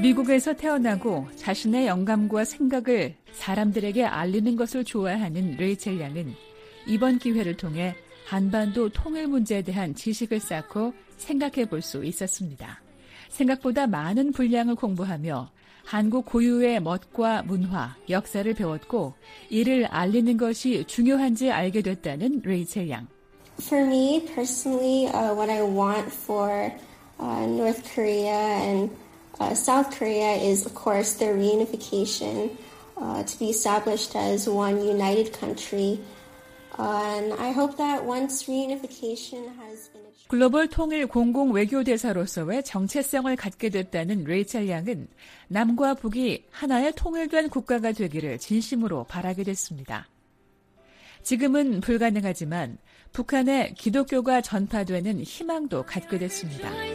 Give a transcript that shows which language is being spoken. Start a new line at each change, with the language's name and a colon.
Korean: 미국에서 태어나고 자신의 영감과 생각을 사람들에게 알리는 것을 좋아하는 레이첼 양은 이번 기회를 통해 한반도 통일 문제에 대한 지식을 쌓고 생각해 볼 수 있었습니다. 생각보다 많은 분량을 공부하며 한국 고유의 멋과 문화, 역사를 배웠고 이를 알리는 것이 중요한지 알게 됐다는 레이첼 양.
English: For me personally, what I want for North Korea and South Korea is of course their reunification to be established as one united country. And I hope that once reunification has been achieved.
Korean: 글로벌 통일 공공 외교대사로서의 정체성을 갖게 됐다는 레이첼 양은 남과 북이 하나의 통일된 국가가 되기를 진심으로 바라게 됐습니다. 지금은 불가능하지만 북한에 기독교가 전파되는 희망도 갖게 됐습니다.